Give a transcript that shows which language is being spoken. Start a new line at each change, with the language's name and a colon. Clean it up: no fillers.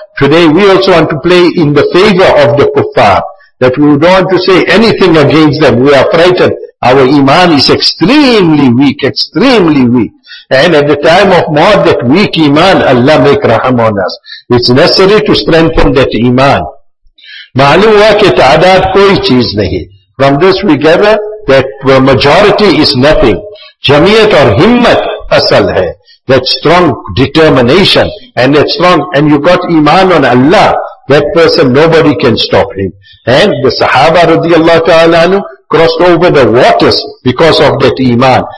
English: Today we also want to play in the favor of the kuffar, that we don't want to say anything against them. We are frightened. Our iman is extremely weak, extremely weak. And at the time of more that weak iman, Allah make raham on us. It's necessary to strengthen that iman.
Urdu: معلوم ہوا کہ تعداد کوئی چیز نہیں.
English: From this we gather that majority is nothing.
Urdu: جمعیت اور ہمت اصل ہے.
English: That strong determination and that strong, and you got iman on Allah, that person nobody can stop him. And the Sahaba radiallahu ta'ala anhu crossed over the waters because of that iman.